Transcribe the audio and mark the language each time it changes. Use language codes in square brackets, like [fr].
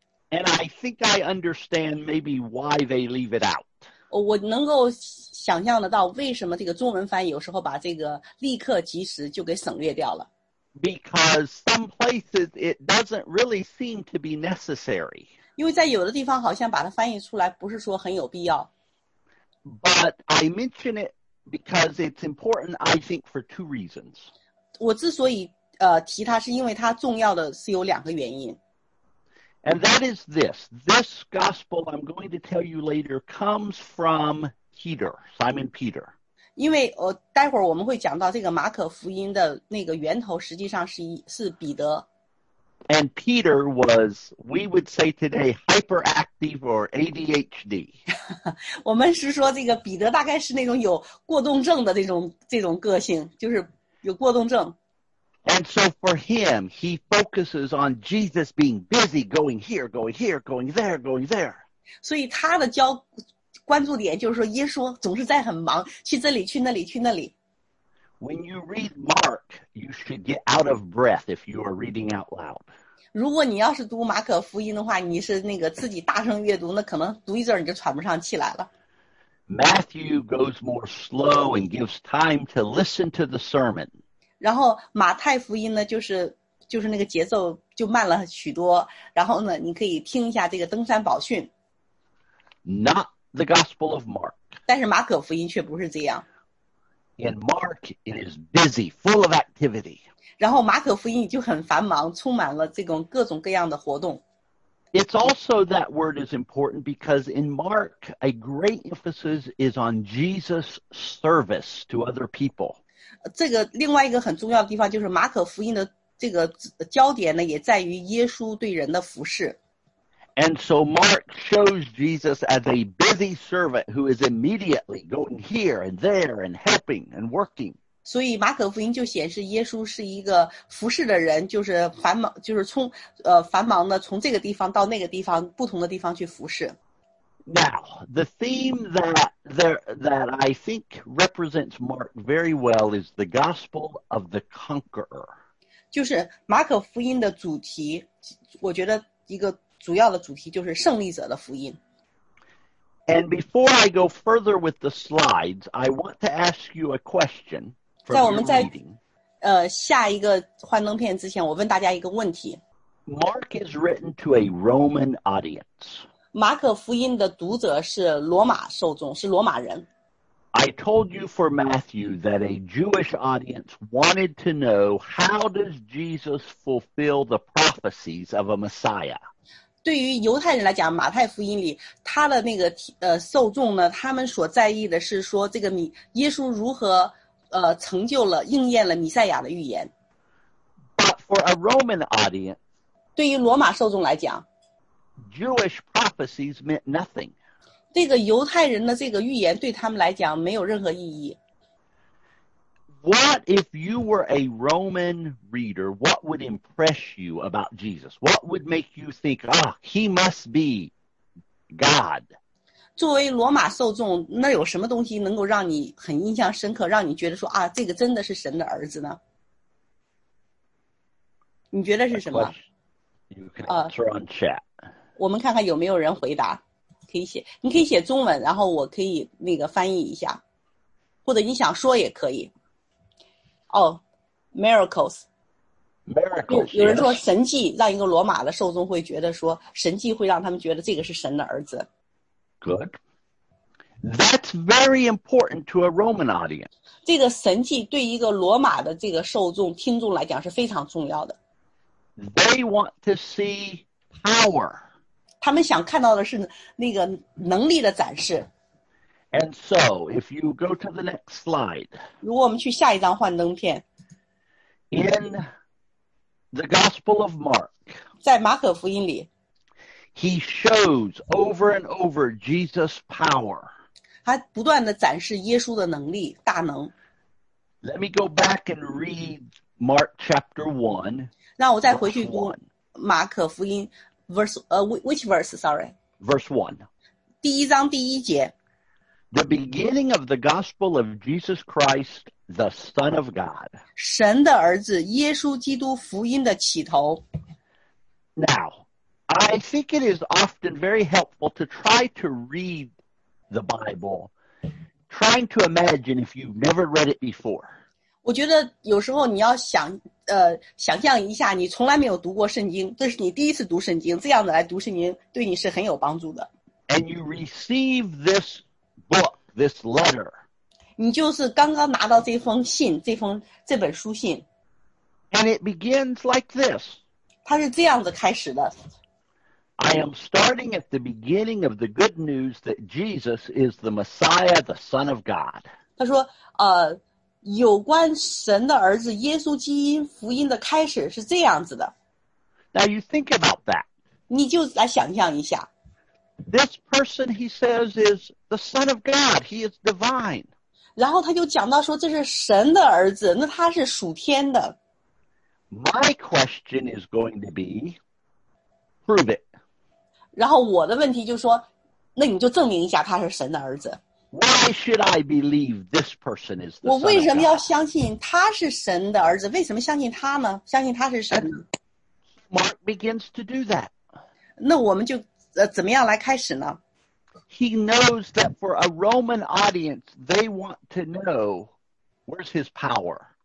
[en] And I think I understand maybe why they leave it out. [zh] 我能够想象得到为什么这个中文翻译有时候把这个立刻即时就给省略掉了。 [en] Because some places it doesn't really seem to be necessary. [zh] 因为在有的地方好像把它翻译出来不是说很有必要。 [en] But I mention it because it's important, I think, for two reasons. [zh] 我之所以提它是因为它重要的是有两个原因。 [en] And that is this. This gospel I'm going to tell you later comes from Peter, Simon Peter. [zh] 因为待会儿我们会讲到这个马可福音的那个源头实际上是彼得。 [en] And Peter was, we would say today, hyperactive or ADHD. [zh] 我们是说这个彼得大概是那种有过动症的这种个性，就是有过动症。 [en] And so for him, he focuses on Jesus being busy, going here, going here, going there, going there. [zh] 所以他的关注点就是说耶稣总是在很忙，去这里，去那里，去那里。 [en] When you read Mark, you should get out of breath if you are reading out loud. [zh] 如果你要是读马可福音的话，你是那个自己大声阅读，那可能读一阵你就喘不上气来了。 [en] Matthew goes more slow and gives time to listen to the sermon. [zh] 然后马太福音呢就是那个节奏就慢了许多，然后呢你可以听一下这个登山宝训。 [en] Not the gospel of Mark. [zh] 但是马可福音却不是这样。 [en] In Mark it is busy, full of activity. [zh] 然后马可福音就很繁忙，充满了这种各种各样的活动。 [en] It's also that word is important because in Mark a great emphasis is on Jesus' service to other people. [zh] 这个另外一个很重要的地方就是马可福音的这个焦点呢也在于耶稣对人的服事。 [en] And so Mark shows Jesus as a busy servant who is immediately going here and there and helping and working. [zh] 所以马可福音就显示耶稣是一个服事的人，就是繁忙，就是从繁忙的从这个地方到那个地方，不同的地方去服事。 [en] Now, the theme that I think represents Mark very well is the gospel of the conqueror. [zh] 就是马可福音的主题，我觉得一个主要的主题就是胜利者的福音。 [en] And before I go further with the slides, I want to ask you a question from your reading. [zh] 在我们在下一个幻灯片之前，我问大家一个问题。 [en] Mark is written to a Roman audience. [zh] 马可福音的读者是罗马受众，是罗马人。 [en] I told you for Matthew that a Jewish audience wanted to know how does Jesus fulfill the prophecies of a Messiah. [zh] 对于犹太人来讲，马太福音里他的那个受众呢，他们所在意的是说这个耶稣如何成就了应验了弥赛亚的预言。 [en] But for a Roman audience, [zh] 对于罗马受众来讲 [en] ，Jewish prophecies meant nothing. [zh] 这个犹太人的这个预言对他们来讲没有任何意义。 [en] What if you were a Roman reader? What would impress you about Jesus? What would make you think, ah, he must be God? [zh] 作为罗马受众，那有什么东西能够让你很印象深刻，让你觉得说啊，这个真的是神的儿子呢？你觉得是什么 [en] ？You can answer on chat. [zh] 我们看看有没有人回答，可以写，你可以写中文，然后我可以那个翻译一下，或者你想说也可以。 [en] Oh, miracles. Miracles. [zh] 有人说神迹让一个罗马的受众会觉得说神迹会让他们觉得这个是神的儿子。 [en] Good. That's very important to a Roman audience. [zh] 这个神迹对一个罗马的这个受众听众来讲是非常重要的。 [en] They want to see power. [zh] 他们想看到的是那个能力的展示。 [en] And so, if you go to the next slide, [zh] 如果我们去下一张幻灯片 [en] in the Gospel of Mark, [zh] 在马可福音里 [en] he shows over and over Jesus' power. [zh] 他不断地展示耶稣的能力，大能。 [en] Let me go back and read Mark chapter 1. [zh] 让我再回去读马可福音 [en] verse, which verse, sorry? Verse 1. [zh] 第一章第一节。 [en] The beginning of the gospel of Jesus Christ, the Son of God. [zh] 神的儿子，耶稣基督福音的起头。 [en] Now, I think it is often very helpful to try to read the Bible, trying to imagine if you've never read it before. [zh] 我觉得有时候你要想象一下你从来没有读过圣经，这是你第一次读圣经，这样子来读圣经对你是很有帮助的。 [en] And you receive this book, this letter. [zh] 你就是刚刚拿到这封信，这本书信。 [en] And it begins like this. [zh] 它是这样子开始的。 [en] I am starting at the beginning of the good news that Jesus is the Messiah, the Son of God. [zh] 他说，有关神的儿子耶稣基因福音的开始是这样子的。 [en] Now you think about that. [zh] 你就来想象一下。 [en] This person, he says, is the Son of God. He is divine. [zh] 然后他就讲到说这是神的儿子，那他是属天的。 [en] My question is going to be, prove it. [zh] 然后我的问题就说，那你就证明一下他是神的儿子。 [en] Why should I believe this person is the Son of God? [zh] 我为什么要相信他是神的儿子？为什么相信他呢？相信他是神。 [en] Mark begins to do that. [zh] 那我们就怎么样来开始呢？ [en] He knows that for a Roman audience, they want to know where's his power.